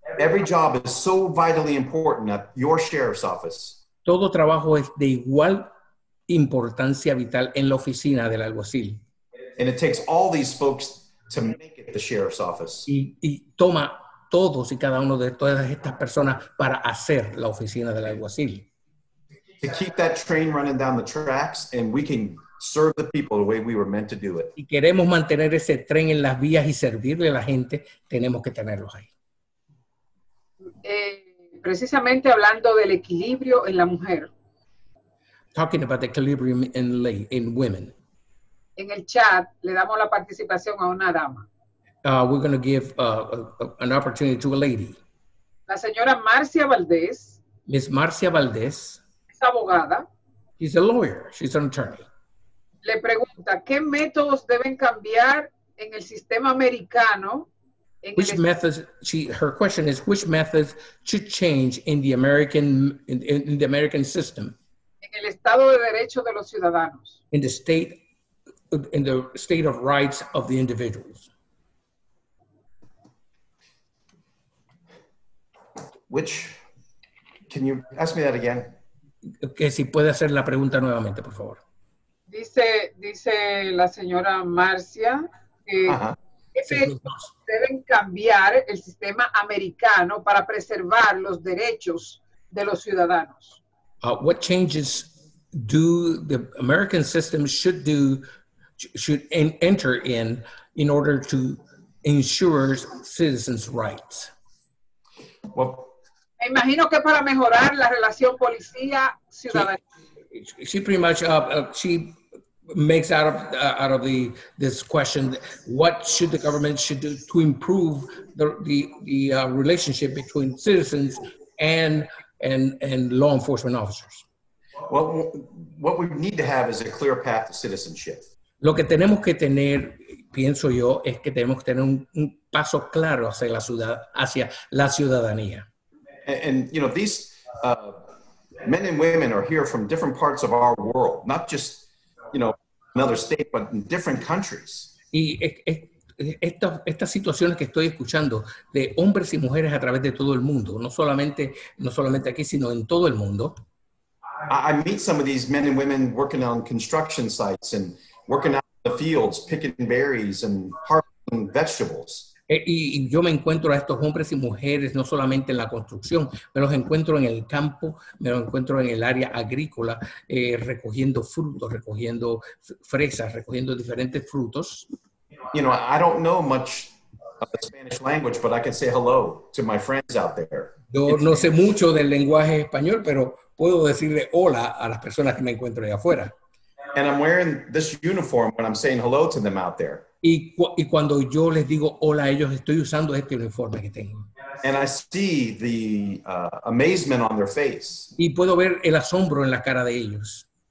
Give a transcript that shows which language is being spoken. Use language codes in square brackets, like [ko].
[en] Every job is so vitally important at your sheriff's office. [es] Todo trabajo es de igual importancia vital en la oficina del alguacil. [en] And it takes all these folks to make it the sheriff's office. [es] Y toma todos y cada uno de todas estas personas para hacer la oficina del alguacil. [en] To keep that train running down the tracks, and we can serve the people the way we were meant to do it. [es] Y queremos mantener ese tren en las vías y servirle a la gente, tenemos que tenerlos ahí. Precisamente hablando del equilibrio en la mujer. [en] Talking about the equilibrium in women. [es] En el chat le damos la participación a una dama. [en] We're going to give an opportunity to a lady. [es] La señora Marcia Valdez. [en] Miss Marcia Valdez. [es] Es abogada. [en] She's a lawyer. She's an attorney. [es] Le pregunta, ¿qué métodos deben cambiar en el sistema americano? [en] Which methods, her question is, which methods should change in the American, in the American system? [es] En el estado de derecho de los ciudadanos. [en] In the state of rights of the individuals. Which, can you ask me that again? [es] Que si puede hacer la pregunta nuevamente, por favor. Dice la señora Marcia que deben cambiar el sistema americano para preservar los derechos de los ciudadanos. [en] What changes do the American system should do, should enter in order to ensure citizens' rights? Well, [es] me imagino que para mejorar la relación policía-ciudadanía. [en] She pretty much, she makes out of the this question what should the government should do to improve the relationship between citizens and law enforcement officers. What we need to have is a clear path to citizenship. [es] Lo que tenemos que tener, pienso yo, es que tenemos que tener un paso claro hacia la ciudadanía. [en] And you know, these men and women are here from different parts of our world, not just, you know, another state, but in different countries. [es] Y estas situaciones que estoy escuchando de hombres y mujeres a través de todo el mundo, no solamente aquí, sino en todo el mundo. [en] I meet some of these men and women working on construction sites and working out in the fields, picking berries and harvesting vegetables. [es] Y yo me encuentro a estos hombres y mujeres no solamente en la construcción, me los encuentro en el campo, me los encuentro en el área agrícola, recogiendo frutos, recogiendo fresas, recogiendo diferentes frutos. [en] You know, I don't know much of the Spanish language, but I can say hello to my friends out there. [es] Yo no sé mucho del lenguaje español, pero puedo decirle hola a las personas que me encuentro allá afuera. [en] And I'm wearing this uniform when I'm saying hello to them out there. [es] Y cuando yo les digo hola a ellos, estoy usando este uniforme que tengo. [en] And I see the amazement on their face. [es] Y puedo ver el asombro en la cara de ellos.